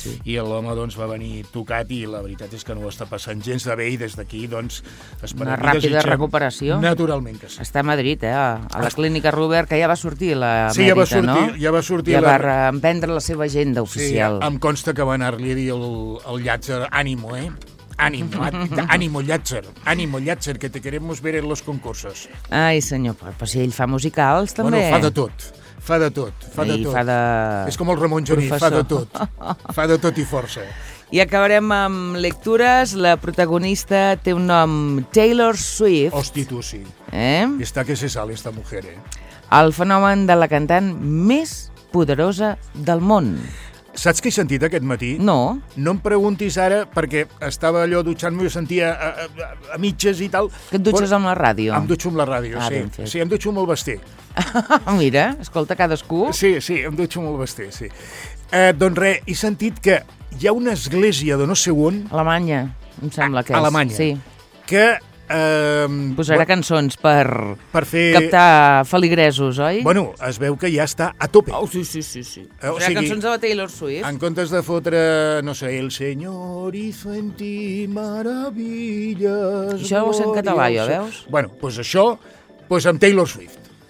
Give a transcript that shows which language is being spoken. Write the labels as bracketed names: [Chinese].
[Catalan] I l'home doncs, va venir tocat i la veritat és que no ho està passant gens de bé i des d'aquí doncs, esperem. Una ràpida desitgem. Recuperació. Naturalment que sí. Està a Madrid, a la clínica Robert, que ja va sortir la mèdica, sí, ja va sortir, no? Ja va sortir. Ja va reemprendre la seva agenda oficial. Sí, em consta que va anar-li a dir el Llàtzer, ànimo, eh? [Spanish] Ánimo Llàtzer. Ánimo Llàtzer, que te queremos ver en los concursos. [Catalan] Ai, senyor, però si ell fa musicals, també. Bueno, fa de tot. Fa de tot. Fa de tot. Fa de... És com el Ramon Joni, fa de tot. Fa de tot i força. I acabarem amb lectures. La protagonista té un nom, Taylor Swift. Hosti, tu, sí. Està [Spanish] que se sale, esta mujer, [Catalan] El fenomen de la cantant més poderosa del món. Saps què he sentit aquest matí? No. No em preguntis ara, perquè estava allò dutxant-me i ho sentia a mitges i tal. Que et dutxes amb la ràdio? Em dutxo amb la ràdio, sí. Sí, em dutxo amb el basté. Mira, escolta cadascú. Sí, sí, em dutxo amb el basté, sí. Doncs res, he sentit que hi ha una església de no sé on... Alemanya, em sembla que és. Alemanya. Sí. Que... Posarà cançons per fer... captar feligresos, oi? Bueno, es veu que ja està a tope. Oh, sí. Posarà cançons de la Taylor Swift. En comptes de fotre, no sé, [Spanish] el Señor hizo en ti maravillas... [Catalan] Això ho sent català, jo, veus? Bueno, doncs pues això, pues amb Taylor Swift.